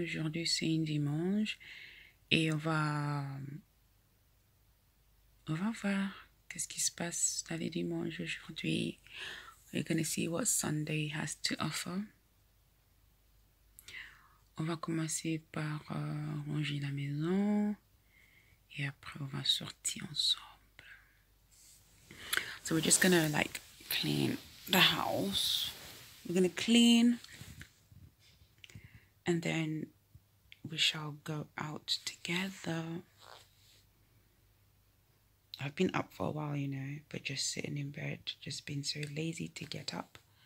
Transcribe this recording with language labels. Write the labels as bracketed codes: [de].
[fr] Aujourd'hui c'est un dimanche et on va voir qu'est-ce qui se passe dans les dimanches aujourd'hui. [en] We're gonna see what Sunday has to offer. [fr] On va commencer par ranger la maison et après on va sortir ensemble. [en] So we're just gonna like clean the house. We're gonna clean and then we shall go out together. I've been up for a while, you know, but just sitting in bed, just been so lazy to get up.